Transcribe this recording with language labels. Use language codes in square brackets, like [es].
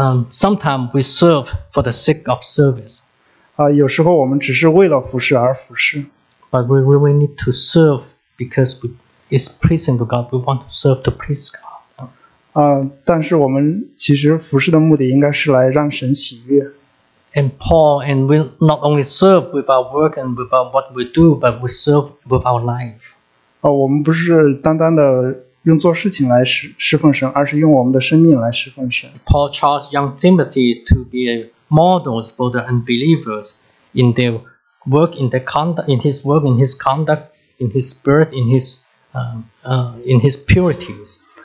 [en] Sometimes we serve for the sake of service. [zh] 有时候我们只是为了服事而服事。 [en] But we really need to serve because it's pleasing to God. We want to serve to please God. [zh] 但是我们其实服事的目的应该是来让神喜悦。 [en] And Paul, and we not only serve with our work and with our what we do, but we serve with our life. [zh] 我们不是单单的用做事情来侍奉神，而是用我们的生命来侍奉神。 [en] Paul charged young Timothy to be a model for the unbelievers in their work, in their conduct, in his work, in his conduct, in his spirit, in his purities.